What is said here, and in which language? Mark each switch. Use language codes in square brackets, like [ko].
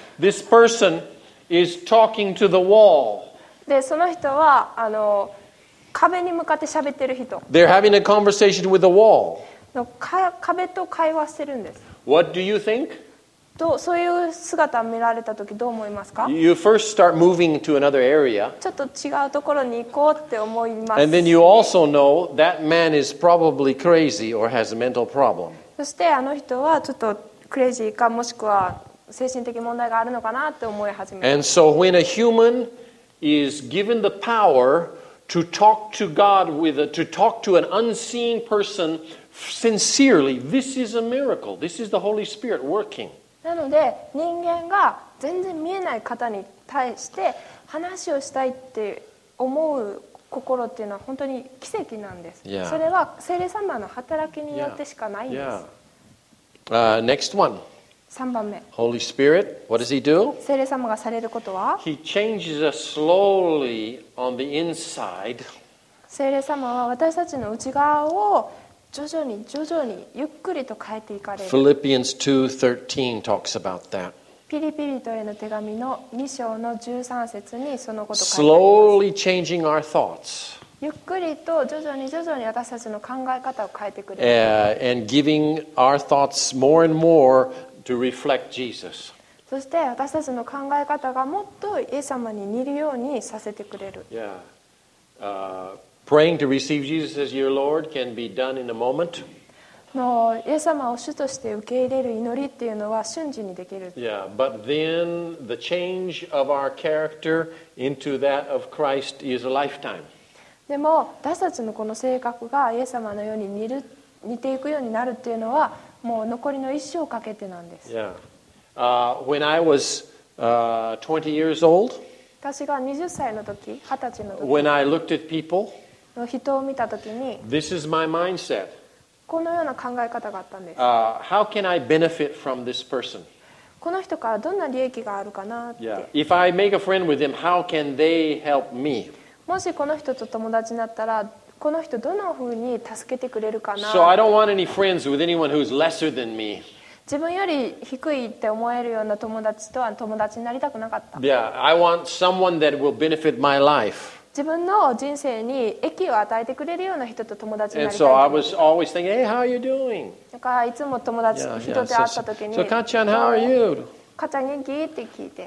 [en] This person is talking to the wall. [ja] でその人は壁に向かって喋ってる人。 [en] They're having a conversation with the wall. [ja] 壁と会話してるんです。 [en] What do you think? [ja] どうそういう姿を見られた時どう思いますか? [en] You first start moving to another area. [ja] ちょっと違うところに行こうって思います。 [en] And then you also know that man is probably crazy or has a mental problem. [ja] そしてあの人はちょっとクレイジーかもしくは精神的問題があるのかなって思い始める。 [en] And so when a human is given the powerTo talk to God with a, to talk to an unseen person sincerely, this is a miracle. This is the Holy Spirit working. [ja] なので、人間が全然見えない方に対して話をしたいって思う心っていうのは本当に奇跡なんです。 [en] Yeah. [ja] それは聖霊様の働きによってしかないんです。 [en] Yeah. Next one. [ja] 3番目。 [en] Holy Spirit, what does he do? [ja] 聖霊様がされることは? [en] He changes us slowly on the inside. [ja] 聖霊様は私たちの内側を徐々に徐々にゆっくりと変えていかれる。 [en] Philippians 2:13 talks about that. [ja] ピリピリ人への手紙の2章の13節にそのこと書いてあります。 [en] Slowly changing our thoughts. [ja] ゆっくりと徐々に徐々に私たちの考え方を変えてくれる。 [en] And giving our thoughts more and moreTo reflect Jesus. [ja] そして私たちの考え方がもっとイエス様に似るようにさせてくれる。 [en] Praying to receive Jesus as your Lord can be done in a moment. [ja] のイエス様を主として受け入れる祈りっていうのは瞬時にできる。 [en] Yeah, but then the change of our character into that of Christ is a lifetime. [ja] でも私たちのこの性格がイエス様のように似ていくようになるっていうのは。もう残りの一生かけてなんです。 [en] When I was 20 years old, [ja] 私が20歳の時、20歳の時、 [en] When I looked at people, [ja] の人を見た時に、 [en] This is my mindset. [ja] このような考え方があったんです。 [en] How can I benefit from this person? [ja] この人からどんな利益があるかなって。 [en] Yeah. If I make a friend with them, how can they help me? [ja] もしこの人と友達になったら。この人どのふうに助けてくれるかな。 [en] So I don't want any friends with anyone who's lesser than me. [ja] 自分より低いって思えるような友達とは友達になりたくなかった。 [en] Yeah, I want someone that will benefit my life. [ja] 自分の人生に益を与えてくれるような人と友達になりたい。 [en] And so I was always thinking, Hey, how are you doing? [ja] だからいつも友達と人と会った時に、 [en] So Kachan, how are you? [ja] かちゃん元気って聞いて。